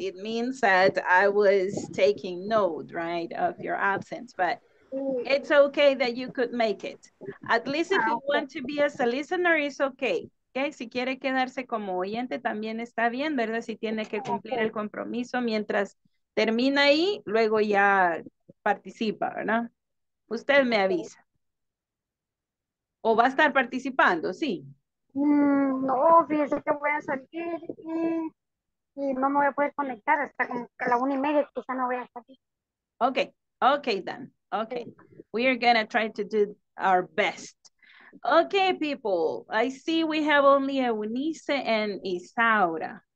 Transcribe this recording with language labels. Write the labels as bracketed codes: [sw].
[en] It means that I was taking note, right, of your absence, but it's okay that you could make it. At least if you want to be as a listener, it's okay. [es] Okay, si quiere quedarse como oyente, también está bien, ¿verdad? Si tiene que cumplir el compromiso mientras termina ahí, luego ya participa, ¿verdad? Usted me avisa. ¿O va a estar participando? Sí. No, fíjese que voy a salir y no me voy a poder conectar hasta como que a la 1:30, quizá no voy a estar aquí. [en] Okay, okay then. Okay. We are going to try to do our best. Okay, people, I see we have only Eunice and Isaura.